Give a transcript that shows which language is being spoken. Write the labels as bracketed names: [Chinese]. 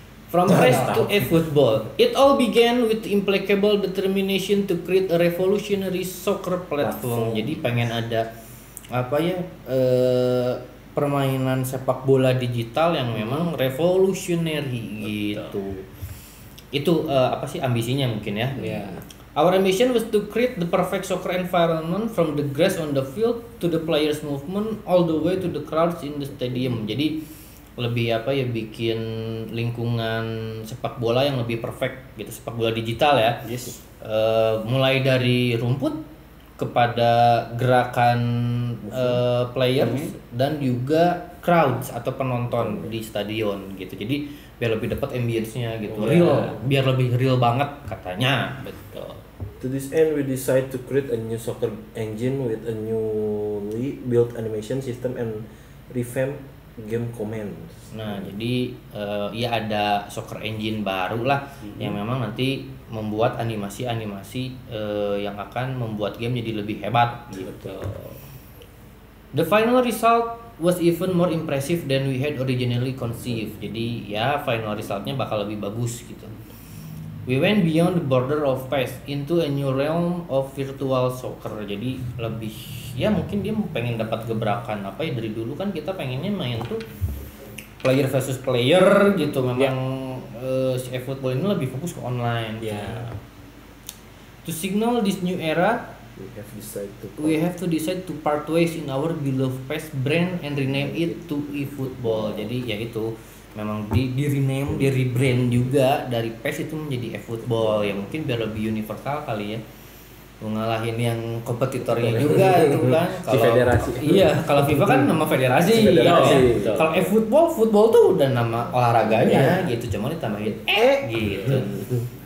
[English] From PES to eFootball, it all began with implacable determination to create a revolutionary soccer platform. [Indonesian] Jadi pengen ada apa ya permainan sepak bola digital yang memang revolutionary gitu. Itu apa sih ambisinya mungkin ya? [English] Yeah. Our ambition was to create the perfect soccer environment from the grass on the field to the players' movement all the way to the crowds in the stadium. [Indonesian] Jadi lebih apa ya bikin lingkungan sepak bola yang lebih perfect gitu, sepak bola digital ya. [English] Yes. [Indonesian] Mulai dari rumput kepada gerakan players dan juga crowds atau penonton di stadion gitu. Jadi biar lebih dapat ambience-nya gitu. Real, ya. Biar lebih real banget katanya. Betul. [English] To this end, we decide to create a new soccer engine with a newly built animation system and revamp game commands. [Indonesian] Nah, jadi ya ada soccer engine baru lah yang memang nanti membuat animasi-animasi yang akan membuat game jadi lebih hebat gitu. [English] The final result was even more impressive than we had originally conceived. [Indonesian] Jadi ya final resultnya bakal lebih bagus gitu. [English] We went beyond the border of PES into a new realm of virtual soccer. [Indonesian] Jadi lebih ya mungkin dia pengen dapat gebrakan apa ya, dari dulu kan kita pengennya main tuh player versus player gitu memang si eFootball ini lebih fokus ke online. [English] To signal this new era, we have to decide to part ways in our beloved PES brand and rename it to eFootball. [Indonesian] Jadi ya itu memang di rename, di rebrand juga dari PES itu menjadi eFootball ya mungkin biar lebih universal kali ya. Ngalahin yang kompetitornya juga itu kan kalau si federasi. Iya, kalau FIFA kan nama federasi. Si federasi. Kalau eFootball, football tuh udah nama olahraganya gitu, cuma ditambahin gitu.